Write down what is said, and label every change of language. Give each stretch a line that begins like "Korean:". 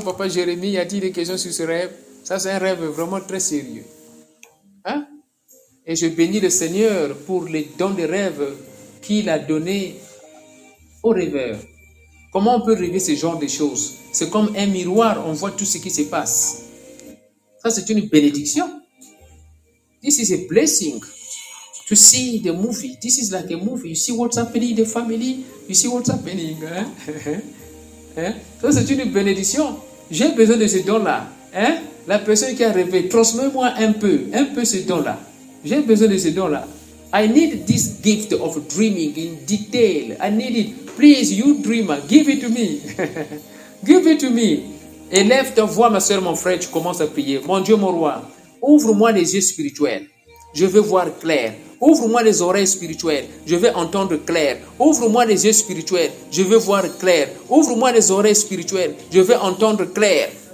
French: Papa Jérémy, y a-t-il des questions sur ce rêve? Ça, c'est un rêve vraiment très sérieux. Hein? Et je bénis le Seigneur pour les dons de rêve qu'il a donné aux rêveurs. Comment on peut rêver ce genre de choses? C'est comme un miroir, on voit tout ce qui se passe. Ça, c'est une bénédiction.
English: This is a blessing to see the movie. This is like a movie. You see what's happening in the family. You see what's happening. Hein? Hein?
French: Ça, c'est une bénédiction. J'ai besoin de ce don-là. Hein? La personne qui a rêvé, transmets-moi un peu ce don-là. J'ai besoin de ce don-là.
English: I need this gift of dreaming in detail. I need it. Please, you dreamer, give it to me. Give it to me.
French: Élève ta voix, ma soeur, mon frère, tu commences à prier. Mon Dieu, mon roi. Ouvre-moi les yeux spirituels, je veux voir clair. Ouvre-moi les oreilles spirituelles, je veux entendre clair. Ouvre-moi les yeux spirituels, je veux voir clair. Ouvre-moi les oreilles spirituelles, je veux entendre clair.